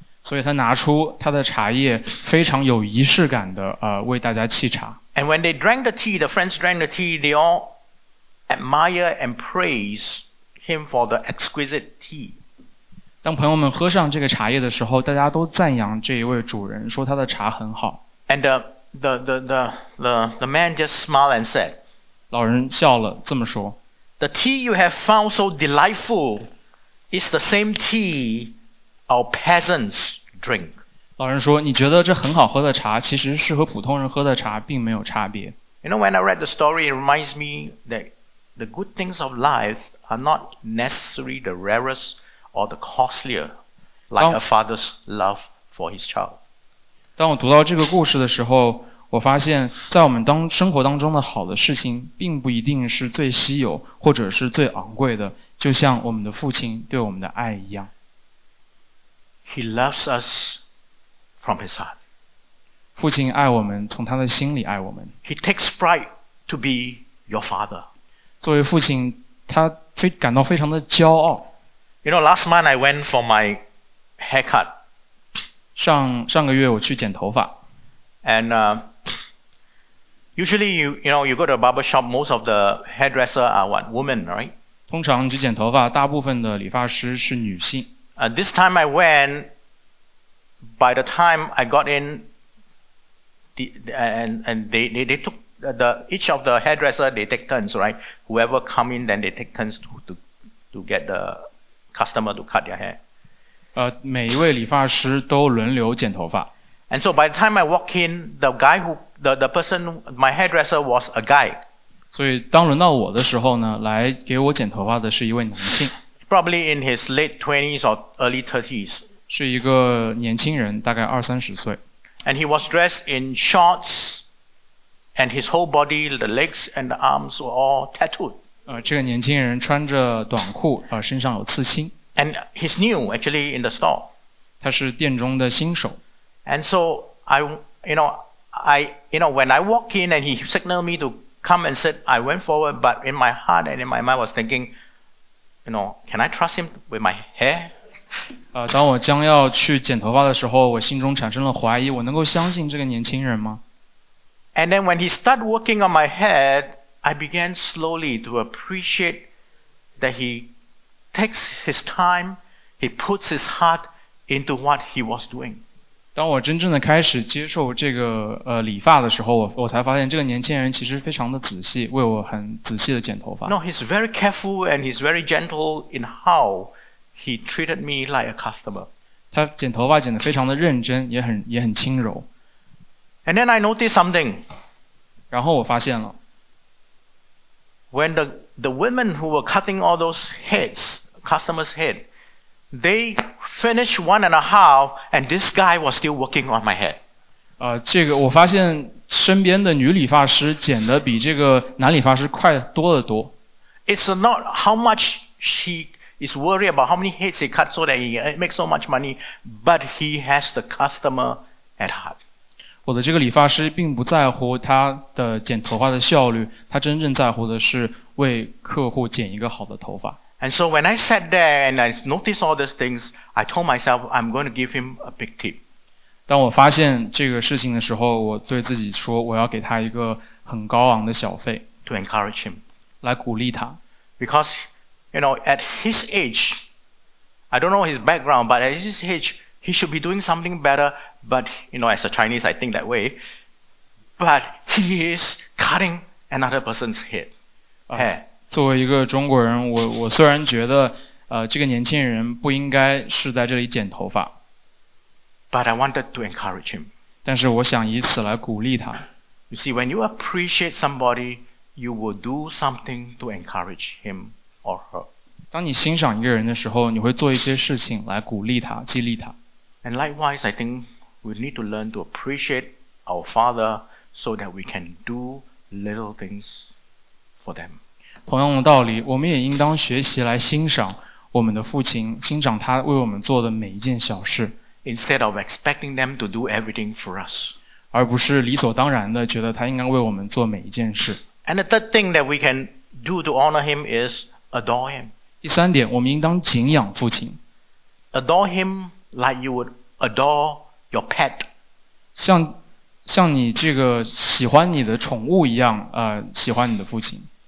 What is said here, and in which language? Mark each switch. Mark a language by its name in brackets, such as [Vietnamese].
[Chinese] 所以他拿出他的茶叶非常有仪式感的为大家沏茶。 [English] And when they drank the tea, the friends drank the tea, they all admire and praise him for the exquisite tea. [Chinese] 当朋友们喝上这个茶叶的时候，大家都赞扬这一位主人，说他的茶很好。 [English] And the man just smiled and said, [Chinese] 老人笑了，这么说。 [English] The tea you have found so delightful is the same tea our peasants drink. [Chinese] 老人说，你觉得这很好喝的茶，其实是和普通人喝的茶并没有差别。 [English] You know, when I read the story, it reminds me that the good things of life are not necessarily the rarest or the costlier, like a father's love for his child. [Chinese] 当我读到这个故事的时候，我发现在我们生活当中的好的事情并不一定是最稀有或者是最昂贵的，就像我们的父亲对我们的爱一样。 [English] He loves us. From his heart. [Chinese] 父亲爱我们，从他的心里爱我们。 [English] He takes pride to be your father. [Chinese] 作为父亲，他感到非常的骄傲。 [English] You know, last month I went for my haircut. [Chinese] 上个月我去剪头发。 [English] And Usually, you go to a barber shop, most of the hairdresser are what? Women, right? [Chinese] 通常只剪头发，大部分的理发师是女性。 [English] This time I went, by the time I got in, each of the hairdresser take turns, right? Whoever come in, then they take turns to get the customer to cut their hair. [Chinese] 每一位理发师都轮流剪头发。 [English] And so by the time I walk in, the person, my hairdresser was a guy. [Chinese] 所以当轮到我的时候呢，来给我剪头发的是一位男性。 [English] Probably in his late 20s or early 30s. [Chinese] 是一个年轻人，大概二三十岁。 [English] And he was dressed in shorts, and his whole body, the legs and the arms were all tattooed. [Chinese] 这个年轻人穿着短裤，身上有刺青。 [English] And he's new, actually, in the store. [Chinese] 他是店中的新手。 [English] And so when I walk in and he signaled me to come and sit, I went forward, but in my heart and in my mind I was thinking, can I trust him with my hair? [Chinese] 当我将要去剪头发的时候，我心中产生了怀疑，我能够相信这个年轻人吗？ [English] And then when he started working on my head, I began slowly to appreciate that he takes his time, he puts his heart into what he was doing. [Chinese] 当我真正的开始接受这个理发的时候，我才发现这个年轻人其实非常的仔细，为我很仔细的剪头发。 [English] No, he's very careful and he's very gentle in how he treated me like a customer. [Chinese] 他剪头发剪得非常的认真，也很轻柔。 [English] And then I noticed something. [Chinese] 然后我发现了。 [English] When the women who were cutting all those heads, customers' head,They finished one and a half, and this guy was still working on my head. [Chinese] 这个我发现身边的女理发师剪的比这个男理发师快多得多。 [English] It's not how much he is worried about how many heads he cut so that he makes so much money, but he has the customer at heart. [Chinese] 我的这个理发师并不在乎他的剪头发的效率，他真正在乎的是为客户剪一个好的头发。 [English] And so when I sat there and I noticed all these things, I told myself I'm going to give him a big tip. [Chinese] 当我发现这个事情的时候，我对自己说我要给他一个很高昂的小费。 [English] To encourage him. [Chinese] 来鼓励他。 [English] Because, at his age, I don't know his background, but at his age, he should be doing something better. But, as a Chinese, I think that way. But he is cutting another person's head. Hair. [Chinese] 作为一个中国人，我虽然觉得这个年轻人不应该是在这里剪头发。 [English] But I wanted to encourage him. [Chinese] 但是我想以此来鼓励他。 [English] You see, when you appreciate somebody, you will do something to encourage him or her. [Chinese] 当你欣赏一个人的时候，你会做一些事情来鼓励他，激励他。 [English] And likewise, I think we need to learn to appreciate our father so that we can do little things for them. [Chinese] 同样的道理，我们也应当学习来欣赏我们的父亲，欣赏他为我们做的每一件小事。 [English] Instead of expecting them to do everything for us. [Chinese] 而不是理所当然的觉得他应该为我们做每一件事。 [English] And the third thing that we can do to honor him is adore him. [Chinese] 第三点，我们应当敬仰父亲。 [English] Adore him like you would adore your pet. [Chinese] 像你这个喜欢你的宠物一样，喜欢你的父亲。